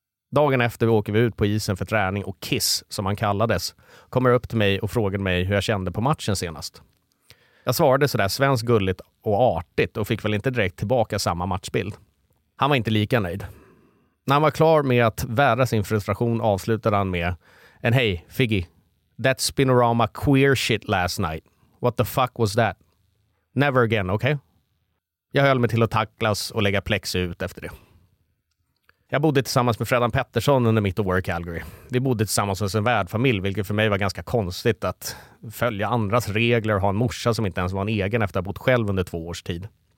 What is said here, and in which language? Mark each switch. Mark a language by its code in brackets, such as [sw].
[sv] Dagen efter vi åker ut på isen för träning och kiss, som han kallades, kommer upp till mig och frågar mig hur jag kände på matchen senast. Jag svarade sådär svenskt gulligt och artigt och fick väl inte direkt tillbaka samma matchbild. Han var inte lika nöjd. När han var klar med att värda sin frustration avslutade han med en hej, Figgy. [en] That spinorama queer shit last night. What the fuck was that? Never again, okay? [sv] Jag höll mig till att tacklas och lägga plex ut efter det. Jag bodde tillsammans med Fredan Pettersson under mitt år i Calgary. Vi bodde tillsammans hos en värdfamilj, vilket för mig var ganska konstigt att följa andras regler och ha en morsa som inte ens var en egen efter att ha bott själv under 2 års tid.